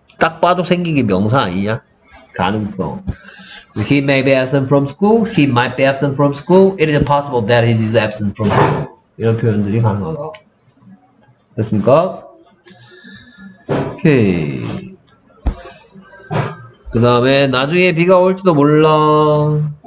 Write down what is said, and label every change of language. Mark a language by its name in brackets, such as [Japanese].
[Korean] 딱 봐도 생긴 게 명사 아니냐? 가능성. [English] He may be absent from school. He might be absent from school. It is possible that he is absent from school. [Korean] 이런 표현들이 가능하다. 됐습니까? 오케이. 그 다음에 나중에 비가 올지도 몰라.